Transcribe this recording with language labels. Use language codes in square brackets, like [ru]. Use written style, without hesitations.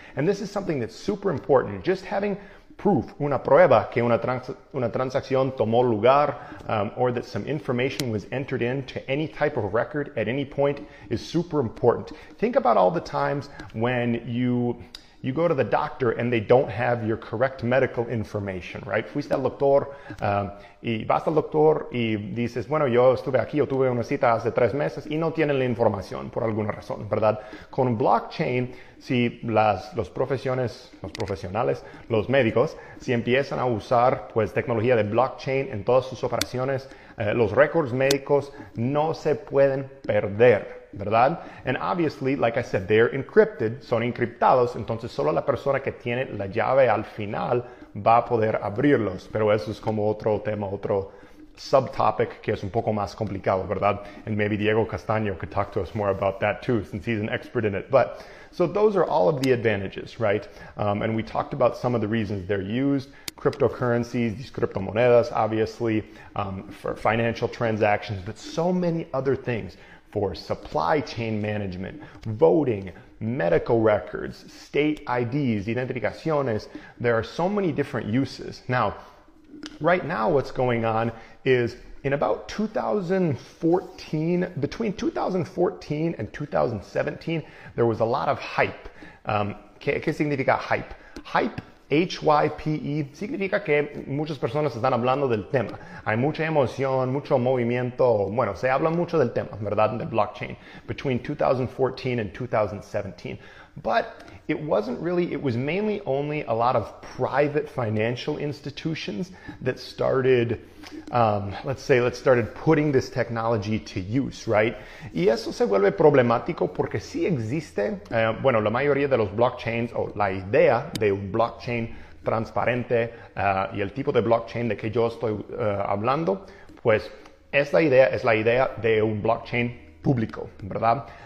[en] And this is something that's super important. Just having proof, [es] una prueba que una transacción tomó lugar, [en] or that some information was entered into any type of record at any point is super important. Think about all the times when you go to the doctor and they don't have your correct medical information, right? [es] Fuiste al doctor, y vas al doctor y dices, bueno, yo estuve aquí, yo tuve una cita hace 3 meses y no tienen la información por alguna razón, ¿verdad? Con blockchain, si los médicos, si empiezan a usar pues tecnología de blockchain en todas sus operaciones, los récords médicos no se pueden perder, ¿verdad? [en] And obviously, like I said, they're encrypted, [es] son encriptados, entonces solo la persona que tiene la llave al final va a poder abrirlos, pero eso es como otro tema, otro subtopic que es un poco más complicado, ¿verdad? [en] And maybe Diego Castaño could talk to us more about that too, since he's an expert in it. But so those are all of the advantages, right? And we talked about some of the reasons they're used. Cryptocurrencies, these criptomonedas, obviously, for financial transactions, but so many other things for supply chain management, voting, medical records, state IDs, identificaciones. There are so many different uses. Now, right now what's going on is in about 2014, between 2014 and 2017, there was a lot of hype. [es] ¿Qué significa hype? Hype, H-Y-P-E, significa que muchas personas están hablando del tema. Hay mucha emoción, mucho movimiento. Bueno, se habla mucho del tema, ¿verdad? De blockchain, [en] between 2014 and 2017. But it wasn't really, it was mainly only a lot of private financial institutions that started, let's say, putting this technology to use, right? [es] Y eso se vuelve problemático porque sí existe, bueno, la mayoría de los blockchains o la idea de un blockchain transparente y el tipo de blockchain de que yo estoy hablando, pues esta idea es la idea de un blockchain público, ¿verdad?